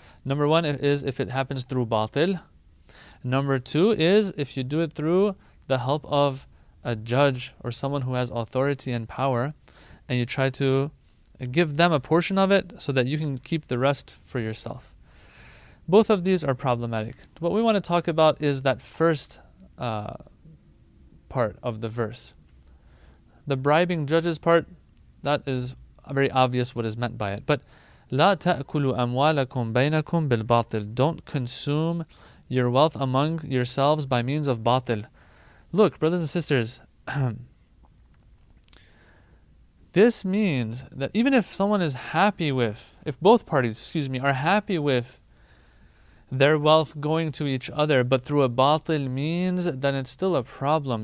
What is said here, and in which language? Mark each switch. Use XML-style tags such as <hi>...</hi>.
<en>Number one is if it happens through batil. Number two is if you do it through the help of a judge or someone who has authority and power, and you try to give them a portion of it so that you can keep the rest for yourself. Both of these are problematic. What we want to talk about is that first part of the verse. The bribing judges part, that is very obvious what is meant by it.</en> <ar>But لا تأكلوا أموالكم بينكم بالباطل.</ar> <en>Don't consume your wealth among yourselves by means of batil. Look, brothers and sisters, this means that even if someone is happy with, if both parties, excuse me, are happy with their wealth going to each other, but through a batil means, then it's still a problem.</en>